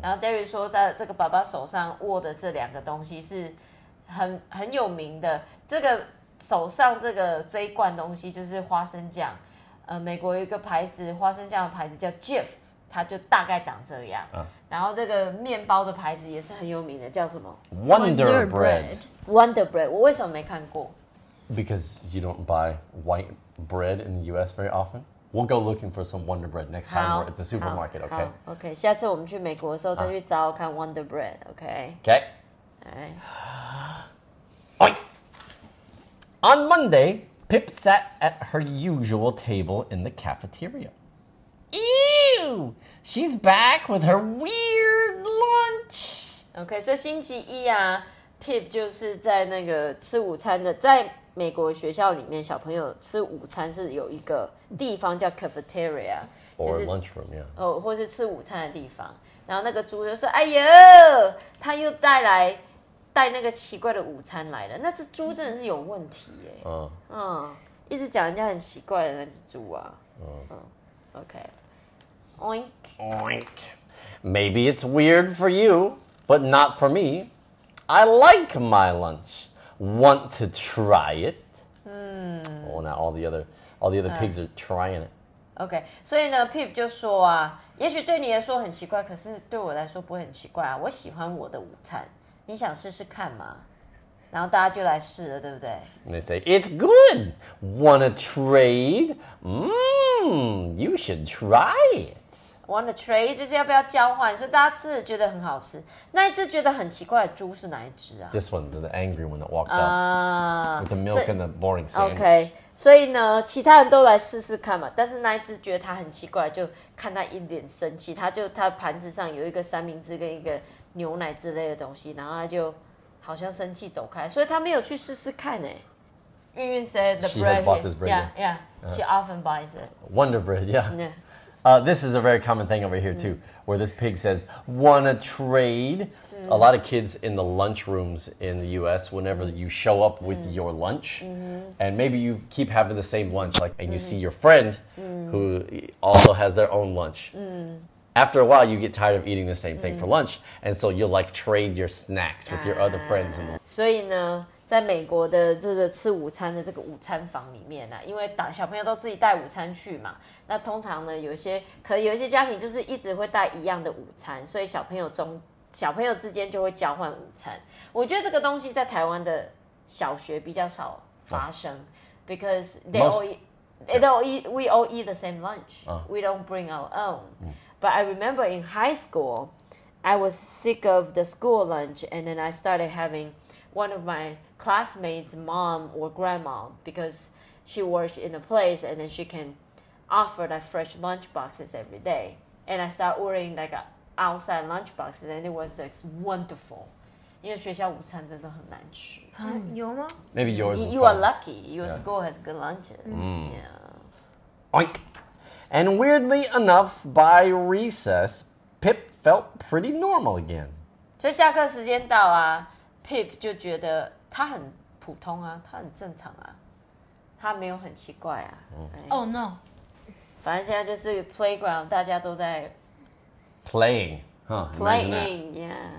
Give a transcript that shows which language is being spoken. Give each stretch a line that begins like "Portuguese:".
Chinese: 然后 Derry 说，在这个爸爸手上握的这两个东西是很有名的，这个手上这一罐东西就是花生酱，美国有一个牌子花生酱的牌子叫 Jif。它就大概长这样、然后这个面包的牌子也是很有名的，叫什么
English: Wonder Bread.
Chinese: Wonder Bread, 我为什么没看过
English: Because you don't buy white bread in the US very often. We'll go looking for some Wonder Bread next time we're at the supermarket, okay?
Chinese: Okay, 下次我们去美国的时候再去找看 Wonder Bread, okay?
English: Okay. All right. On Monday, Pip sat at her usual table in the cafeteria. Ew! She's back with her weird lunch.
Chinese: Okay, so 星期一啊 ，Pip 就是在那个吃午餐的，在美国学校里面，小朋友吃午餐是有一个地方叫 cafeteria，
English: or lunchroom, yeah.
Chinese: 哦，或是吃午餐的地方。然后那个猪就说：“哎呀，他又带那个奇怪的午餐来了。” 那只猪真的是有问题耶。嗯嗯，一直讲人家很奇怪的那只猪啊。嗯。
English: Okay. Oink. Oink. Maybe it's weird for you, but not for me. I like my lunch. Want to try it? Hmm. Oh, now all the other pigs are trying it. Okay.
Chinese: 所以呢 ，Pip 就说啊，也许对你来说很奇怪，可是对我来说不会很奇怪啊。我喜欢我的午餐，你想试试看吗？然后大家就来试了，对不对
English: ？They say it's good. Wanna trade? You should try it. Wanna trade
Chinese: 就是要不要交换？所以大家吃的觉得很好吃。那一只觉得很奇怪的猪是哪一只啊
English: ？This one, the angry one that walked up with the milk and the boring sandwich.
Chinese: Okay, 所以呢，其他人都来试试看嘛。但是那一只觉得它很奇怪，就看它一脸生气，它盘子上有一个三明治跟一个牛奶之类的东西，然后它就。好像生气走开，所以他没有去试试看诶。
English: 云云 said the bread. She has bought this bread. Yeah, yeah. She often buys it. Wonder bread. Yeah. Yeah. This is a very common thing over here too, where this pig says, "Wanna trade?" A lot of kids in the lunchrooms in the U.S. Whenever you show up with your lunch, and maybe you keep having the same lunch, like, and you see your friend who also has their own lunch. After a while, you get tired of eating the same thing for lunch, and so you'll like trade your snacks with your other friends.
Chinese: 所以呢，在美国的这个吃午餐的这个午餐房里面、啊、因为打小朋友都自己带午餐去嘛，那通常呢有些可能有些家庭就是一直会带一样的午餐，所以小朋友之间就会交换午餐。我觉得这个东西在台湾的小学比较少发生、
English: because we all eat the same lunch、we don't bring our own、but I remember in high school I was sick of the school lunch and then I started havingone of my classmates' mom or grandma, because she works in a place and then she can offer like fresh lunch boxes every day. And I started ordering like outside lunch boxes and it was like wonderful. Because school lunch is really hard to eat. Maybe yours is you are lucky. Your、yeah. school has good lunches.、Yeah. Oink! And weirdly enough, by recess, Pip felt pretty normal again.
Chinese: So, 下课时间到啊Pip 就觉得他很普通啊，他很正常啊，他没有很奇怪啊。
English: 哦、oh, no！
Chinese: 反正现在就是 playground， 大家都在
English: playing， 哈、huh, ，playing， yeah。